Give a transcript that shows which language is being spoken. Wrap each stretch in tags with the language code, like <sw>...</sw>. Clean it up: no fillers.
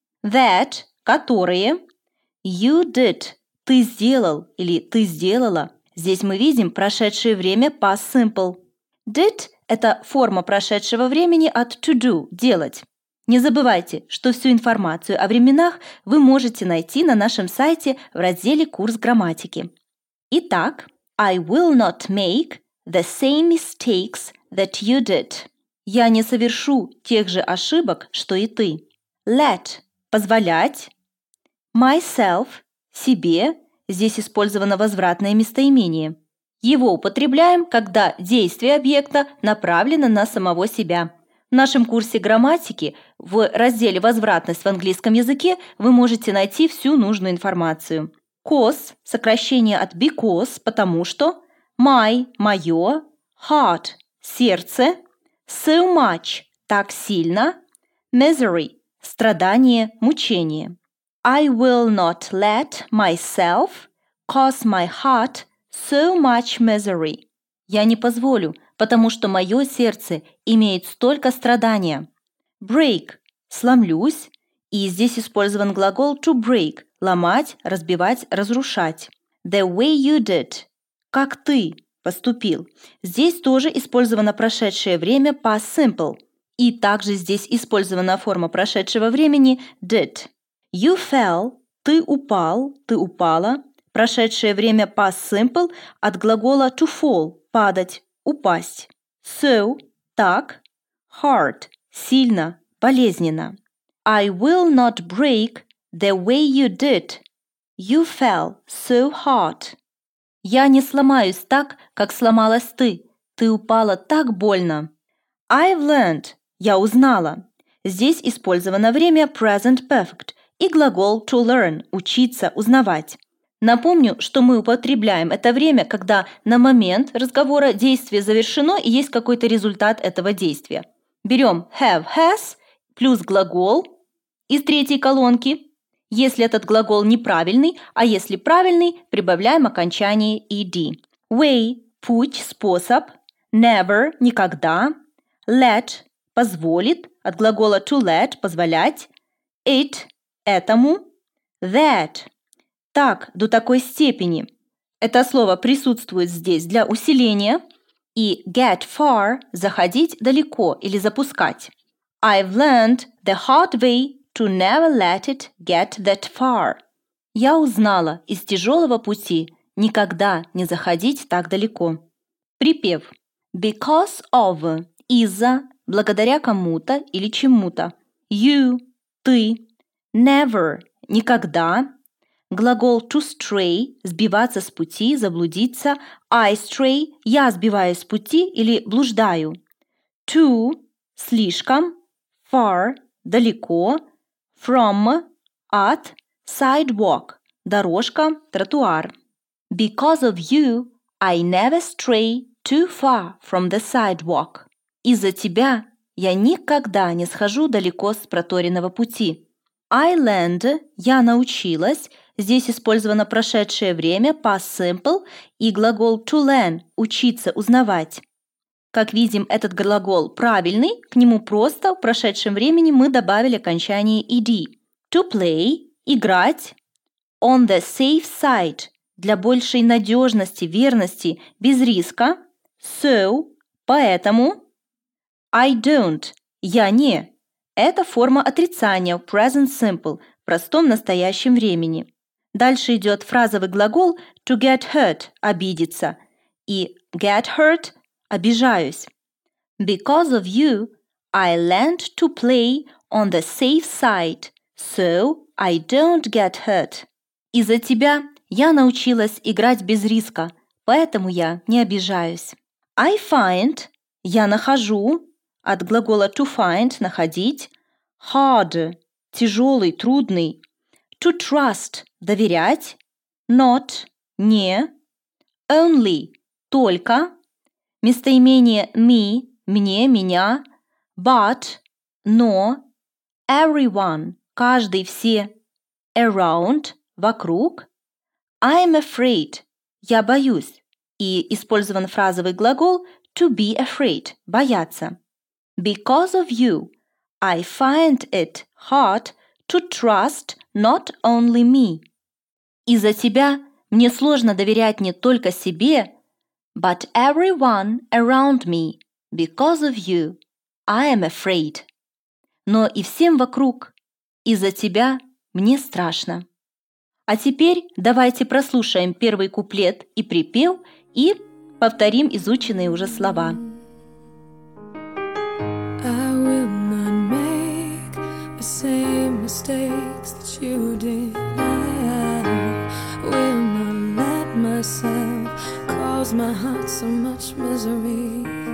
<ru>That – которые.</ru> <en>You did</en> <ru>– ты сделал или ты сделала. Здесь мы видим прошедшее время</ru> <en>past simple.</en> <ru>Did – это форма прошедшего времени от</ru> <en>to do</en> <ru>– делать. Не забывайте, что всю информацию о временах вы можете найти на нашем сайте в разделе «Курс грамматики».</ru> <en>Итак, I will not make the same mistakes that you did.</en> <ru>Я не совершу тех же ошибок, что и ты. Let – позволять. Myself – себе. Здесь использовано возвратное местоимение. Его употребляем, когда действие объекта направлено на самого себя. В нашем курсе грамматики в разделе «Возвратность в английском языке» вы можете найти всю нужную информацию. Cause – сокращение от because, потому что. My – мое. Heart – сердце.</ru> <en>So much</en> <ru>– так сильно. Misery – страдание, мучение.</ru> <en>I will not let myself cause my heart so much misery.</en> <ru>Я не позволю, потому что мое сердце имеет столько страдания. Break – сломлюсь. И здесь использован глагол</ru> <en>to break</en> <ru>– ломать, разбивать, разрушать.</ru> <en>The way you did –</en> <ru>как ты поступил. Здесь тоже использовано прошедшее время</ru> <en>past simple.</en> <ru>И также здесь использована форма прошедшего времени did.</ru> <en>You fell</en> <ru>– ты упал, ты упала. Прошедшее время</ru> <en>past simple</en> <ru>от глагола</ru> <en>to fall</en> <ru>– падать, упасть. So – так. Hard – сильно, болезненно.</ru> <en>I will not break the way you did. You fell so hard.</en> <ru>Я не сломаюсь так, как сломалась ты. Ты упала так больно.</ru> <en>I've learned.</en> <ru>Я узнала. Здесь использовано время</ru> <en>present perfect</en> <ru>и глагол</ru> <en>to learn</en> <ru>– учиться, узнавать. Напомню, что мы употребляем это время, когда на момент разговора действие завершено и есть какой-то результат этого действия. Берем have, has плюс глагол из третьей колонки. Если этот глагол неправильный, а если правильный, прибавляем окончание ed. Way – путь, способ. Never – никогда. Let – позволит, от глагола</ru> <en>to let</en> <ru>– позволять. It – этому. That – так, до такой степени. Это слово присутствует здесь для усиления. И</ru> <en>get far</en> <ru>– заходить далеко или запускать.</ru> <en>I've learned the hard way to never let it get that far.</en> <ru>Я узнала из тяжелого пути никогда не заходить так далеко. Припев. Because of – из-за, благодаря кому-то или чему-то. You – ты. Never – никогда. Глагол</ru> <en>to stray</en> <ru>– сбиваться с пути, заблудиться.</ru> <en>I stray</en> <ru>– я сбиваюсь с пути или блуждаю. To – слишком. Far – далеко. From – от. Sidewalk – дорожка, тротуар.</ru> <en>Because of you, I never stray too far from the sidewalk.</en> <ru>Из-за тебя я никогда не схожу далеко с проторенного пути.</ru> <en>I learned</en> <ru>– я научилась. Здесь использовано прошедшее время</ru> <en>past simple</en> <ru>и глагол</ru> <en>to learn</en> <ru>– учиться, узнавать. Как видим, этот глагол правильный, к нему просто в прошедшем времени мы добавили окончание ed.</ru> <en>To play</en> <ru>– играть.</ru> <en>On the safe side</en> <ru>– для большей надежности, верности, без риска. So – поэтому.</ru> <en>I don't</en> <ru>– я не. Это форма отрицания в</ru> <en>present simple</en> <ru>– в простом настоящем времени. Дальше идет фразовый глагол</ru> <en>to get hurt</en> <ru>– обидеться. И</ru> <en>get hurt</en> <ru>– обижаюсь.</ru> <en>Because of you, I learned to play on the safe side, so I don't get hurt.</en> <ru>Из-за тебя я научилась играть без риска, поэтому я не обижаюсь.</ru> <en>I find</en> <ru>– я нахожу, от глагола</ru> <en>to find</en> <ru>– находить. Hard – тяжелый, трудный.</ru> <en>To trust</en> <ru>– доверять. Not – не. Only – только. Местоимение me – мне, меня. But – но. Everyone – каждый, все. Around – вокруг.</ru> <en>I'm afraid</en> <ru>– я боюсь. И использован фразовый глагол</ru> <en>to be afraid</en> <ru>– бояться.</ru> <en>Because of you, I find it hard to trust not only me.</en> <ru>Из-за тебя мне сложно доверять не только себе,</ru> <en>but everyone around me. Because of you, I am afraid.</en> <ru>Но и всем вокруг. Из-за тебя мне страшно. А теперь давайте прослушаем первый куплет и припев и повторим изученные уже слова.</ru> <en>I will not make the same mistakes that you did. I will not let myself cause my heart so much misery.</en>